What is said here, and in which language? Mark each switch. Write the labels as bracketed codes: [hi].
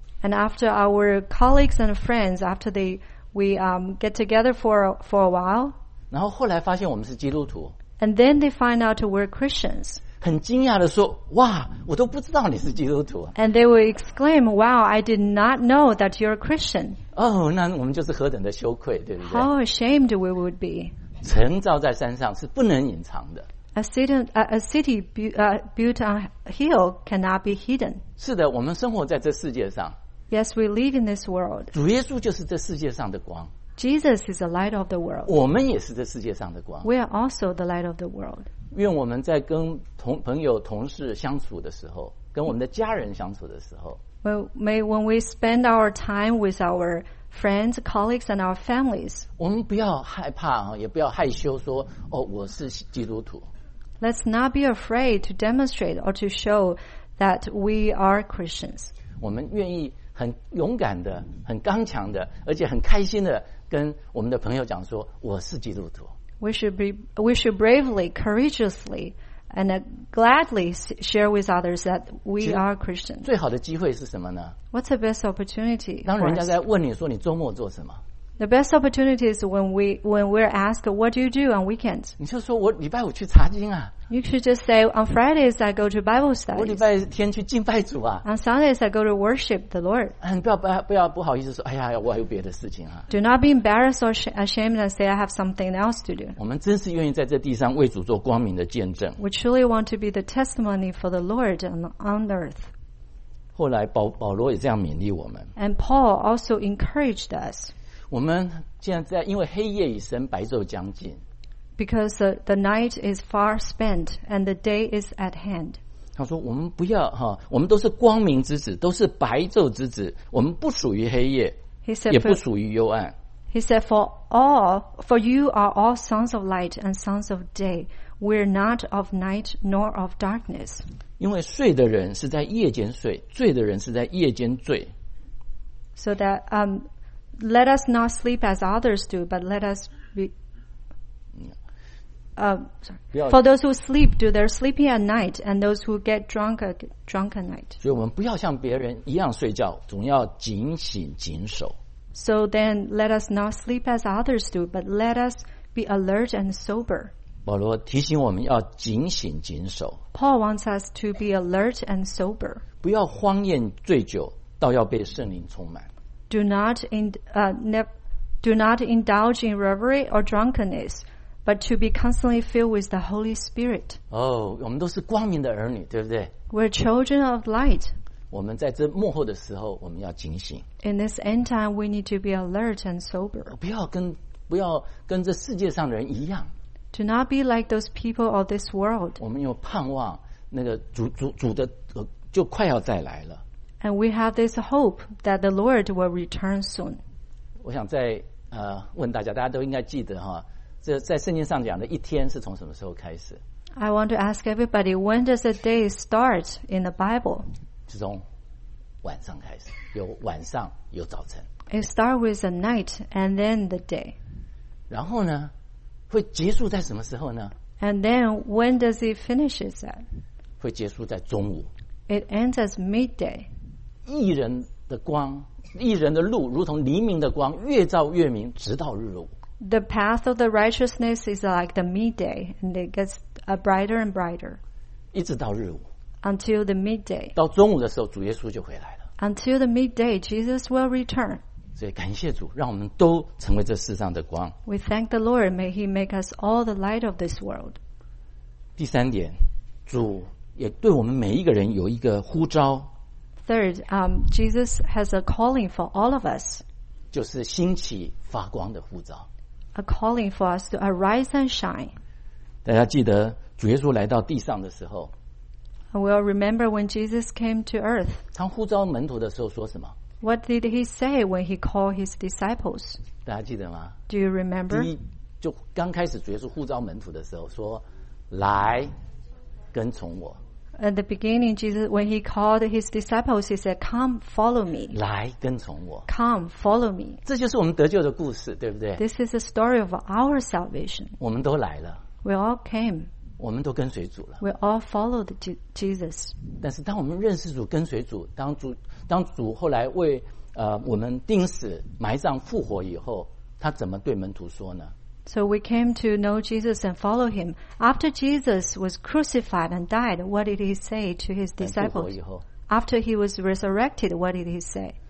[en] ，And after our colleagues and friends after they we get together for a while， [zh] 然后后来发现我们是基督徒 [en] ，And then they find out we're Christians。 [zh] 很惊讶地说哇我都不知道你是基督徒 [en] And they will exclaim Wow I did not know that you're a Christian [zh] 哦、oh, 那我们就是何等的羞愧对不对 [en] How ashamed we would be [zh] 城造在山上是不能隐藏的 [en] A city built on a hill cannot be hidden [zh] 是的我们生活在这世界上 [en] Yes we live in this world [zh] 主耶稣就是这世界上的光 [en] Jesus is the light of the world [zh] 我们也是这世界上的光 [en] We are also the light of the world [zh] 愿我们在跟朋友同事相处的时候跟我们的家人相处的时候 [en] well, may when we spend our time with our friends, colleagues and our families [zh] 我们不要害怕也不要害羞说哦，我是基督徒 [en] Let's not be afraid to demonstrate or to show that we are Christians [zh] 我们愿意很勇敢的很刚强的而且很开心的跟我们的朋友讲说我是基督徒 [en] We should bravely, courageously, and gladly share with others that we are Christians. [zh] 最好的机会是什么呢 [en] ？What's the best opportunity? [zh] 当人家在问你说你周末做什么 [en] ？The best opportunity is when we're asked what do you do on weekends. [zh] 你就说我礼拜五去查经啊。 [en] You should just say on Fridays I go to Bible study. [zh] 我礼拜天去敬拜主啊。 [en] On Sundays I go to worship the Lord. [zh] 不要不好意思说，哎呀，我还有别的事情啊。 [en] Do not be embarrassed or ashamed and say I have something else to do. [zh] 我们真是愿意在这地上为主做光明的见证。 [en] We truly want to be the testimony for the Lord on earth. [zh] 后来保罗也这样勉励我们。 [en] And Paul also encouraged us. [zh] 我们现在因为黑夜已深，白昼将近。 [en] Because the night is far spent and the day is at hand. [zh] 他说我们不要哈，我们都是光明之子，都是白昼之子，我们不属于黑夜， [en] he said, [zh] 也不属于幽暗。 [en] He said, for you are all sons of light and sons of day. We're not of night nor of darkness. [zh] 因为睡的人是在夜间睡，醉的人是在夜间醉。 [en] So that let us not sleep as others do, but let us be. For those who sleep, do they're sleeping at night, and those who get drunk at night. [zh] 所以我们不要像别人一样睡觉，总要警醒谨守。 [en] So then, let us not sleep as others do, but let us be alert and sober. [zh] 保罗提醒我们要警醒谨守。 [en] Paul wants us to be alert and sober. [zh] 不要荒宴醉酒，倒要被圣灵充满。 [en] Do not indulge in revelry or drunkenness. But to be constantly filled with the Holy Spirit. [zh] Oh, 我们都是光明的儿女，对不对？ [en] We're children of light. [zh] 我们在这幕后的时候，我们要警醒。 [en] In this end time, we need to be alert and sober. [zh] 不要跟这世界上的人一样。 [en] Do not be like those people of this world. [zh] 我们有盼望，那个主的就快要再来了。 [en] And we have this hope that the Lord will return soon. [zh] 我想再问大家，大家都应该记得哈。这在圣经上讲的一天是从什么时候开始 [en] ？I want to ask everybody, when does a day start in the Bible? [zh] 是从晚上开始，有晚上，有早晨。 [en] It starts with the night and then the day. [zh] 然后呢，会结束在什么时候呢 [en] ？And then when does it finishes at? [zh] 会结束在中午。 [en] It ends at midday. [zh] 义人的光，义人的路，如同黎明的光，越照越明，直到日落。 [en] The path of the righteousness is like the midday, and it gets brighter and brighter. [zh] 一直到日午。 [en] Until the midday. [zh] 到中午的时候，主耶稣就回来了。 [en] Until the midday, Jesus will return. [zh] 所以感谢主，让我们都成为这世上的光。 [en] We thank the Lord, may He make us all the light of this world. [zh] 第三点，主也对我们每一个人有一个呼召。 [en] Third, Jesus has a calling for all of us. [zh] 就是兴起发光的呼召。 [en] A calling for us to arise and shine. [zh] 大家记得主耶稣来到地上的时候。 [en] I will remember when Jesus came to earth. [zh] 他呼召门徒的时候说什么 [en] ？What did he say when he called his disciples？ [zh] 大家记得吗 [en] ？Do you remember？ [zh] 第一，就刚开始主耶稣呼召门徒的时候说：“来，跟从我。” [en] At the beginning, Jesus, when he called his disciples, he said, "Come, follow me." [zh] 来跟从我。 [en] Come, follow me. [zh] 这就是我们得救的故事，对不对 [en] ？This is the story of our salvation. [zh] 我们都来了。 [en] We all came. [zh] 我们都跟随主了。 [en] We all followed Jesus. [zh] 但是当我们认识主、跟随主，当主后来为我们钉死、埋葬、复活以后，他怎么对门徒说呢？ [en] So we came to know Jesus and follow him. After Jesus was crucified and died, what did he say to his disciples? After he was resurrected, what did he say?